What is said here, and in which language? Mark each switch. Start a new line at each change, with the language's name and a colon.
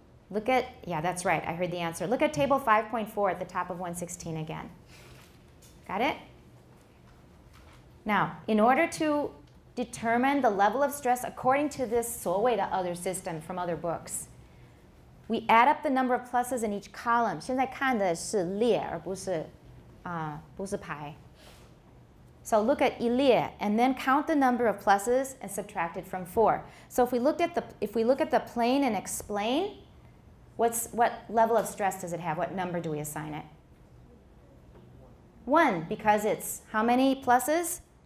English: Look at, yeah, that's right, I heard the answer. Look at table 5.4 at the top of 116 again. Got it? Now, in order to determine the level of stress according to this so-way the other system from other books, we add up the number of pluses in each column.
Chinese: 现在看的是列而不是排.
English: So look at 一列, and then count the number of pluses and subtract it from 4. So if we look at the plain and explain, what level of stress does it have? What number do we assign it? 1, because it's how many pluses?